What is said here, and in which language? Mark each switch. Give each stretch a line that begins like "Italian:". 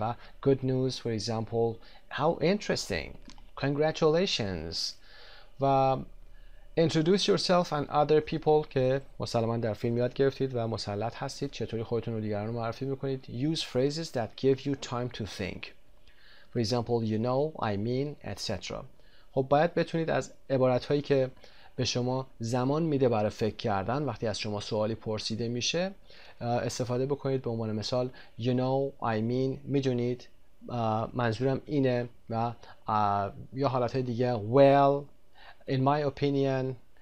English: و good news, for example. How interesting. Congratulations. و introduce yourself and other people
Persian: که مسلماً در فیلم یاد گرفتید و مسلط هستید چطوری خودتون رو دیگران رو معرفی میکنید.
English: Use phrases that give you time to think. For example, you know, I mean, etc.
Persian: خب باید بتونید از عبارت هایی که به شما زمان میده برای فکر کردن وقتی از شما سوالی پرسیده میشه استفاده بکنید. به عنوان مثال
English: you know, I mean,
Persian: میدونید منظورم اینه و یا حالت دیگه
English: well, in my opinion.